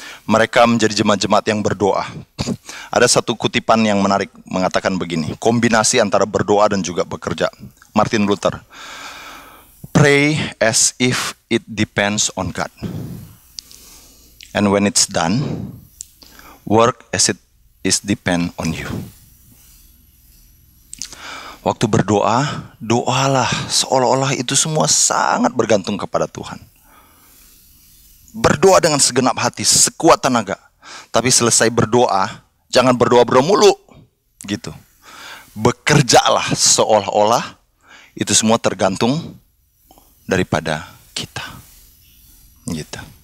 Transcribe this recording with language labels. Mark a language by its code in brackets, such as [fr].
[id] Mereka menjadi jemaat-jemaat yang berdoa. Ada satu kutipan yang menarik mengatakan begini, kombinasi antara berdoa dan juga bekerja. [en] Martin Luther, pray as if it depends on God. And when it's done, work as it is depend on you. [id] Waktu berdoa, doalah seolah-olah itu semua sangat bergantung kepada Tuhan. Berdoa dengan segenap hati, sekuat tenaga. Tapi selesai berdoa, jangan berdoa-berdoa mulu. Gitu. Bekerjalah seolah-olah itu semua tergantung daripada kita. Gitu.